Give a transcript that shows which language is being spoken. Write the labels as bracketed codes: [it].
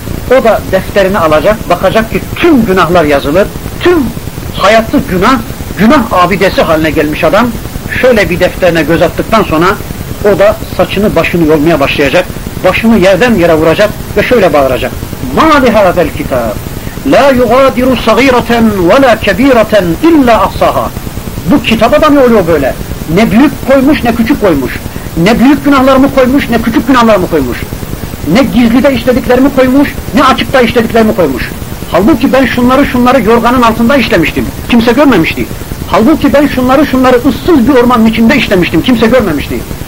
[tr] O da defterini alacak, bakacak ki tüm günahlar yazılır, tüm hayatı günah, günah abidesi haline gelmiş adam, şöyle bir defterine göz attıktan sonra o da saçını başını yolmaya başlayacak, başını yerden yere vuracak ve şöyle bağıracak. [ar] مَا لِهَذَا الْكِتَابِ لَا يُغَادِرُ صَغِيرَةً وَلَا كَب۪يرَةً اِلَّا اَحْصَهَا [tr] Bu kitaba da ne oluyor böyle? Ne büyük koymuş, ne küçük koymuş. Ne büyük günahlarımı koymuş, ne küçük günahlarımı koymuş. Ne gizlide işlediklerimi koymuş, ne açıkta işlediklerimi koymuş. Halbuki ben şunları yorganın altında işlemiştim. Kimse görmemişti. Halbuki ben şunları ıssız bir ormanın içinde işlemiştim. Kimse görmemişti.